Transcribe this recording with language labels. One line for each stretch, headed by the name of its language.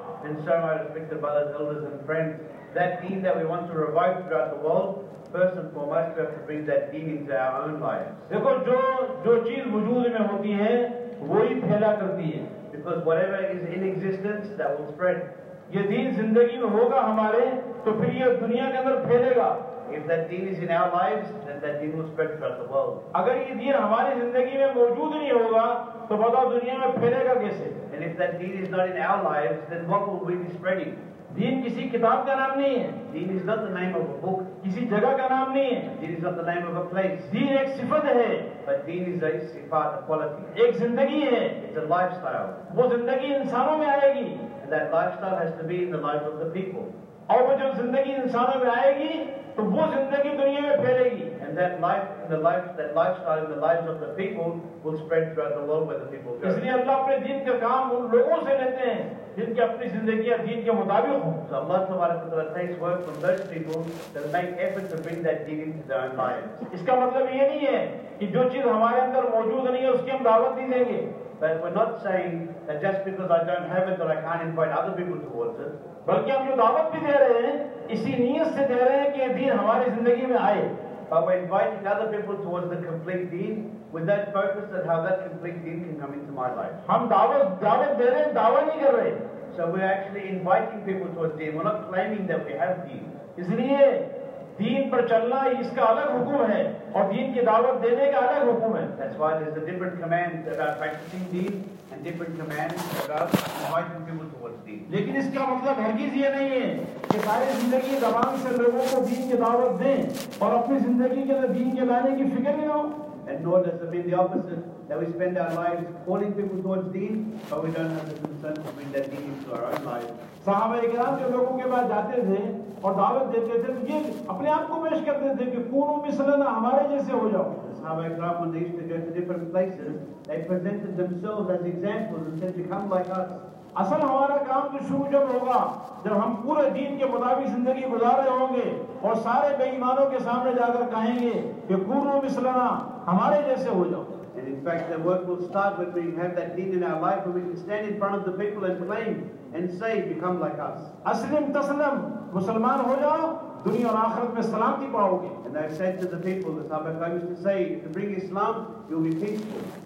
English: And so my respected brothers, elders and friends, that deen that we want to revive throughout the world, first and foremost we have to bring that deen into our own lives.
Urdu: دیکھو جو چیز وجود میں ہوتی ہے وہی پھیلا کرتی ہے.
English: Because whatever is in existence, that will spread.
Urdu: یہ دین زندگی میں ہوگا ہمارے تو پھر یہ دنیا کے اندر پھیلے گا.
English: If that deen is in our lives, then that deen will spread throughout the world.
Urdu: اگر یہ دین ہماری زندگی میں موجود نہیں ہوگا تو بتاؤ دنیا میں پھیلے گا کیسے.
English: And if that deen is not in our lives, then what will we be spreading?
Urdu: دین کسی کتاب کا نام نہیں ہے.
English: Deen is not the name of a book.
Urdu: کسی جگہ کا نام نہیں ہے.
English: Deen is not the name of a place.
Urdu: دین ایک صفت ہے.
English: But deen is a sifat, a quality.
Urdu: ایک زندگی ہے.
English: It's a lifestyle.
Urdu: وہ زندگی انسانوں میں آئے گی.
English: And that lifestyle has to be in the lives of the people.
Urdu: اور وہ جب زندگی انسانوں میں آئے گی تو وہ زندگی دنیا میں پھیلے گی.
English: And that life in the life, that lifestyle in the lives of the people will spread throughout the world where the people go.
Urdu: اس لیے اللہ اپنے دین کا کام ان لوگوں سے لیتے ہیں جن کی اپنی زندگیاں دین کے مطابق ہوں.
English: So Allah تبارک و تعالی takes work from those people that make effort to bring that deen into their own lives.
Urdu: اس کا مطلب یہ نہیں ہے کہ جو چیز ہمارے اندر موجود نہیں ہے اس کی ہم دعوت نہیں دیں گے.
English: But we're not saying that just because I don't have it that I can't invite other people towards it.
Urdu: بلکہ ہم جو دعوت بھی دے رہے ہیں اسی نیت سے دے رہے ہیں کہ یہ دین ہماری زندگی میں آئے.
English: But we're inviting other people towards the complete deen with that focus that how that complete deen can come into my life.
Urdu: ہم دعوت دے رہے ہیں, دعوت نہیں کر رہے.
English: So we're actually inviting people towards deen. We're not claiming that we have deen.
Urdu: اس لیے دین پر چلنا اس کا الگ حکم ہے اور دین کی دعوت دینے کا الگ حکم ہے.
English: That's why there's a different command about practicing deen and different command about inviting people towards deen.
Urdu: لیکن اس کا مطلب ہرگز یہ نہیں ہے کہ ساری زندگی زبان سے لوگوں کو دین کی دعوت دیں اور اپنی زندگی کے اندر دین کے لانے کی فکر نہ ہو.
English: And nor does it mean the opposite, that we spend our lives calling people towards deen, but we don't have the concern to bring that deen into our own lives.
Urdu: صحابہ اکرام جو لوگوں کے پاس جاتے تھے اور دعوت دیتے تھے تو یہ اپنے آپ کو پیش کرتے تھے کہ
Arabic: کونو مثلنا,
Urdu: ہمارے جیسے ہو جاؤ.
English: Sahaba Ikram when they used to go to different places, they presented themselves as examples and said, become like us.
Urdu: اصل ہمارا کام تو شروع جب ہوگا جب ہم پورے دین کے مطابق زندگی گزار رہے ہوں گے اور سارے بے ایمانوں کے سامنے جا کر کہیں گے کہ
Arabic: کونو مثلنا
Urdu: ہمارے جیسے ہو جاؤ.
English: And in fact, the work will start when we have that deen in our life, when we can stand in front of the people and claim and say, become like us.
Arabic: Aslim taslam,
Urdu: musliman ho jao, duniya aur aakhirat mein salamti paoge.
English: And I said to the people, the Sahaba Kiram used to say, if you bring Islam, you'll be peaceful.